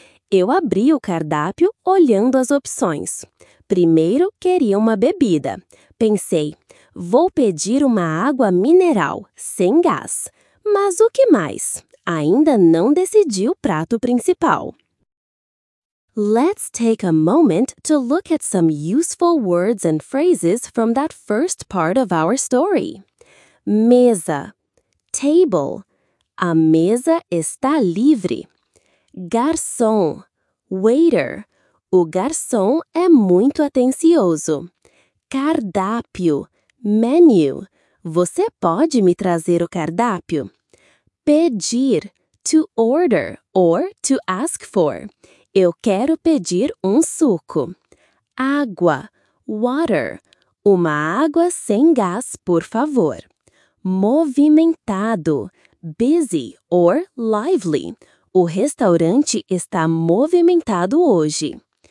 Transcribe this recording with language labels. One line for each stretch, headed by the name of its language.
Portuguese: Eu abri o cardápio olhando as opções. Primeiro, queria uma bebida. Pensei: "Vou pedir uma água mineral, sem gás." Mas o que mais? Ainda não decidi o prato principal.
English: Let's take a moment to look at some useful words and phrases from that first part of our story.
Portuguese: Mesa, table, a mesa está livre. Garçom, waiter, o garçom é muito atencioso. Cardápio, menu, você pode me trazer o cardápio?
English: Pedir, to order or to ask for.
Portuguese: Eu quero pedir um suco. Água, water, uma água sem gás, por favor.
English: Movimentado, busy or lively.
Portuguese: O restaurante está movimentado hoje.